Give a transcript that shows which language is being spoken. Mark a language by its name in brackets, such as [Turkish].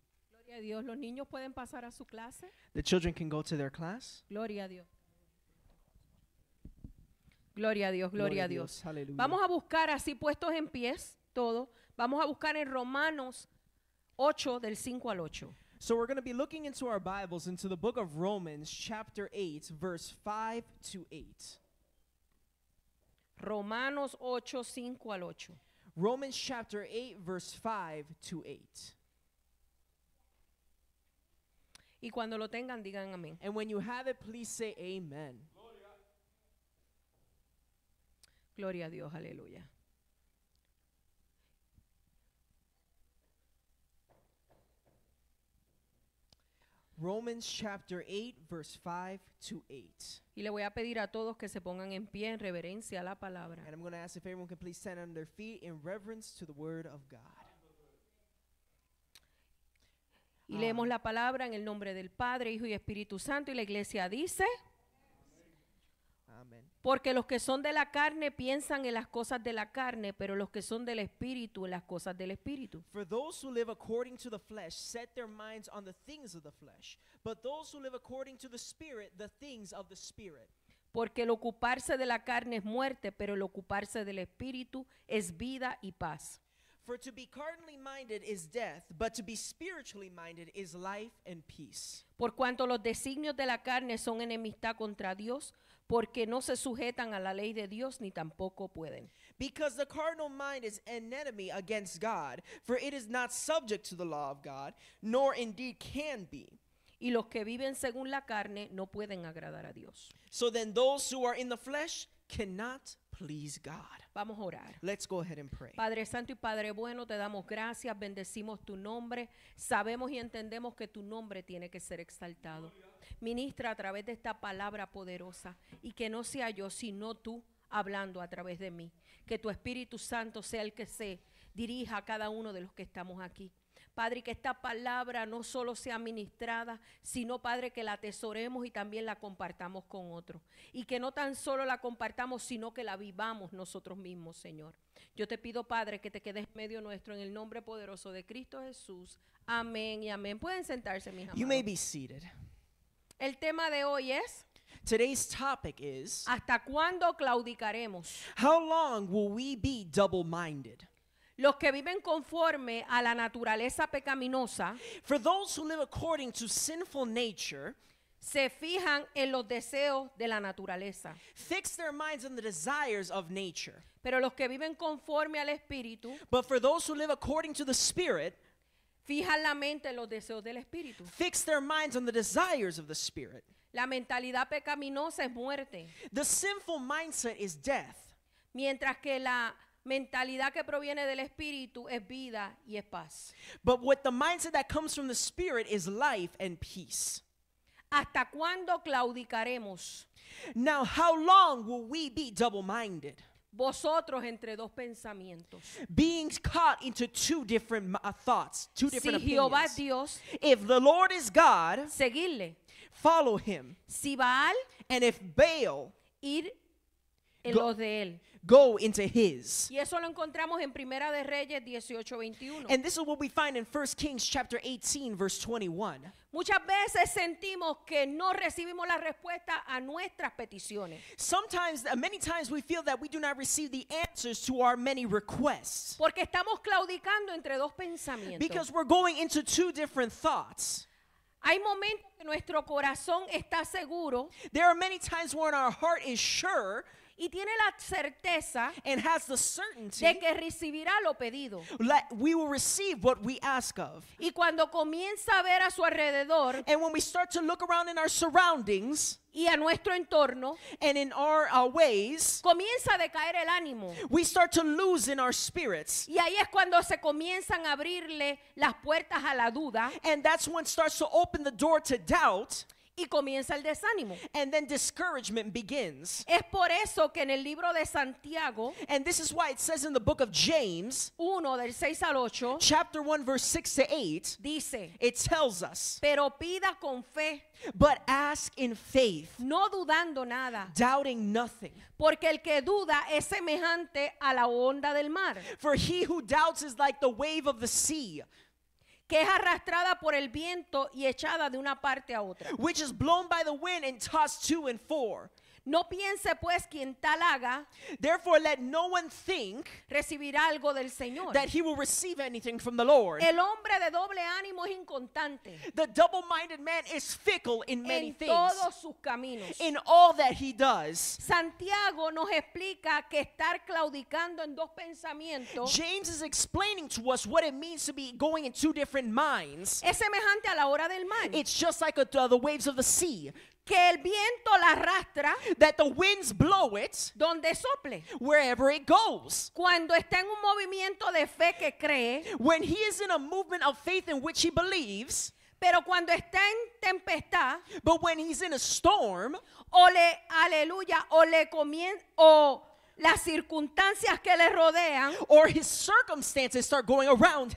[Spanish] Gloria a Dios. ¿Los niños pueden pasar a su clase? [English] The children can go to their class. [Spanish] Gloria a Dios. Gloria a Dios, gloria a Dios. Aleluya. Vamos a buscar así puestos en pies, todo. Vamos a buscar en Romanos 8, del 5 al 8. [English] So we're going to be looking into our Bibles, into the book of Romans, chapter 8, verse 5 to 8. [Spanish] Romanos 8, 5 al 8. [English] Romans chapter 8, verse 5 to 8. [Spanish] Y cuando lo tengan, digan amén. [English] And when you have it, please say amen. [Spanish] Gloria a Dios, aleluya. [English] Romans chapter 8, verse 5 to 8. [Spanish] Y le voy a pedir a todos que se pongan en pie en reverencia a la palabra. [English] And I'm going to ask if everyone can please stand on their feet in reverence to the word of God. [Spanish] Y leemos la palabra en el nombre del Padre, Hijo y Espíritu Santo, y la iglesia dice... [English] Amen. [Spanish] Porque los que son de la carne piensan en las cosas de la carne, pero los que son del Espíritu en las cosas del Espíritu. [English] For those who live according to the flesh set their minds on the things of the flesh, but those who live according to the Spirit, the things of the Spirit. [Spanish] Porque el ocuparse de la carne es muerte, pero el ocuparse del Espíritu es vida y paz. [English] For to be carnally minded is death, but to be spiritually minded is life and peace. [Spanish] Por cuanto los designios de la carne son enemistad contra Dios, porque no se sujetan a la ley de Dios ni tampoco pueden. [English] Because the carnal mind is an enemy against God, for it is not subject to the law of God, nor indeed can be. [Spanish] Y los que viven según la carne no pueden agradar a Dios. [English] So then those who are in the flesh cannot please God. [Spanish] Vamos a orar. [English] Let's go ahead and pray. [Spanish] Padre Santo y Padre Bueno, te damos gracias, bendecimos tu nombre, sabemos y entendemos que tu nombre tiene que ser exaltado. Ministra a través de esta palabra poderosa y que no sea yo sino tú hablando a través de mí. Que tu Espíritu Santo sea el que se dirija a cada uno de los que estamos aquí. Padre, que esta palabra no solo sea ministrada, sino Padre, que la atesoremos y también la compartamos con otros. Y que no tan solo la compartamos, sino que la vivamos nosotros mismos, Señor. Yo te pido, Padre, que te quedes en medio nuestro en el nombre poderoso de Cristo Jesús. Amén y amén. Pueden sentarse, mis amados. [English] You may be seated. [Spanish] El tema de hoy es... [English] Today's topic is... [Spanish] ¿Hasta cuándo claudicaremos? [English] How long will we be double-minded? [Spanish] Los que viven conforme a la naturaleza pecaminosa, [English] for those who live according to sinful nature, [Spanish] se fijan en los deseos de la naturaleza, [English] fix their minds on the desires of nature. [Spanish] Pero los que viven conforme al espíritu, [English] but for those who live according to the spirit, [Spanish] fijan la mente en los deseos del espíritu, [English] fix their minds on the desires of the spirit. [Spanish] La mentalidad pecaminosa es muerte. [English] The sinful mindset is death. [Spanish] Mientras que la mentalidad que proviene del espíritu es vida y es paz. [English] But what the mindset that comes from the spirit is life and peace. [Spanish] ¿Hasta cuándo claudicaremos? [English] Now how long will we be double-minded? [Spanish] Vosotros entre dos pensamientos. [English] Being caught into two different thoughts, two different opinions. [Spanish] Si Jehová es Dios, [English] if the Lord is God, [Spanish] seguirle. [English] Follow him. [Spanish] Si Baal, [English] and if Baal, [Spanish] ir en los de él. [English] Go into his. [Spanish] Y eso lo encontramos en Primera de Reyes 18:21. [English] And this is what we find in 1 Kings chapter 18 verse 21. [Spanish] Muchas veces sentimos que no recibimos la respuesta a nuestras peticiones. [English] Sometimes, many times we feel that we do not receive the answers to our many requests. [Spanish] Porque estamos claudicando entre dos pensamientos. [English] Because we're going into two different thoughts. [Spanish] Hay momentos que nuestro corazón está seguro. [English] There are many times when our heart is sure. [Spanish] y tiene la certeza, [English] and has the certainty, [Spanish] de que recibirá lo pedido. [English] Like we will receive what we ask of. [Spanish] Y cuando comienza a ver a su alrededor, [English] and when we start to look around in our surroundings, [Spanish] y a nuestro entorno, [English] and in our ways, [Spanish] comienza a decaer el ánimo. [English] We start to lose in our spirits. [Spanish] Y ahí es cuando se comienzan a abrirle las puertas a la duda. [English] And that's when it starts to open the door to doubt. [Spanish] Y comienza el desánimo. [English] And then discouragement begins. [Spanish] Es por eso que en el libro de Santiago, [English] and this is why it says in the book of James, [Spanish] 1 del 6 al 8, [English] chapter 1 verse 6 to 8, [Spanish] dice, [English] it tells us, [Spanish] pero pida con fe, [English] but ask in faith, [Spanish] no dudando nada, [English] doubting nothing, [Spanish] porque el que duda es semejante a la onda del mar, [English] for he who doubts is like the wave of the sea, [Spanish] que es arrastrada por el viento y echada de una parte a otra, [English] which is blown by the wind and tossed to and for. [Spanish] No piense pues quien tal haga, [English] therefore let no one think, [Spanish] recibirá algo del Señor, [English] that he will receive anything from the Lord. [Spanish] El hombre de doble ánimo es inconstante, [English] the double-minded man is fickle in many [Spanish] en [English] things, [Spanish] todos sus caminos, [English] in all that he does. [Spanish] Santiago nos explica que estar claudicando en dos pensamientos, [English] James is explaining to us what it means to be going in two different minds, [Spanish] es semejante a la ola del mar. [English] It's just like the waves of the sea, [Spanish] que el viento la arrastra, [English] that the winds blow it, [Spanish] donde sople, [English] wherever it goes. [Spanish] Cuando está en un movimiento de fe que cree, [English] when he is in a movement of faith in which he believes, [Spanish] pero cuando está en tempestad, [English] but when he's in a storm, [Spanish] o le, aleluya, o le comienza, o las circunstancias que le rodean, [English] or his circumstances start going around him,